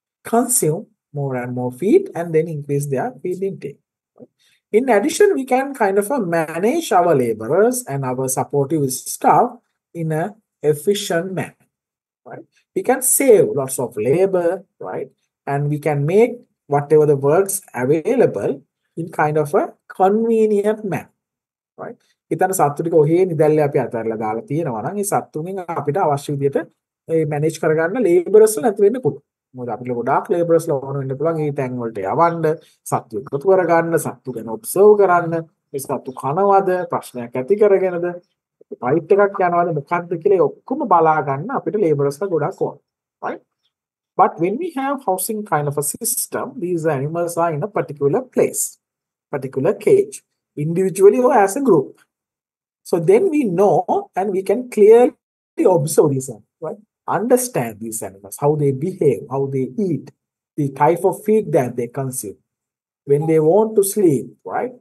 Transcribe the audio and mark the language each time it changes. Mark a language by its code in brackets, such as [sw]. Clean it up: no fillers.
[en] consume more and more feed and then increase their feed intake in addition we can kind of a manage our laborers and our supportive staff in a efficient manner right we can save lots of labor right and we can make whatever the works available in kind of a convenient manner [si] ඉතන සත්තුටික ඔහේ නිදැල්ල අපි අතරලා දාලා තියෙනවා නම් ඒ සත්තුන්ගෙන් අපිට අවශ්‍ය විදිහට ඒ manage කරගන්න ලේබර්ස් නැති වෙන්න පුළුවන්. මොකද අපිට ගොඩාක් ලේබර්ස් ලවන වෙන්න පුළුවන් ඒ ටැං වලට යවන්න, සත්තු එකතු කරගන්න, සත්තු ගැන ඔබ්සර්ව් කරන්න, මේ සත්තු කනවද, ප්‍රශ්නයක් ඇති කරගෙනද, ෆයිට් එකක් යනවද මොකද්ද කියලා ඔක්කොම බලාගන්න අපිට ලේබර්ස්ලා ගොඩාක් ඕන. [en] Right? But when we have housing kind of a system, these animals are in a particular place, particular cage, individually or as a group. So then we know and we can clearly observe these animals, right? Understand these animals, how they behave, how they eat, the type of feed that they consume, when they want to sleep, right?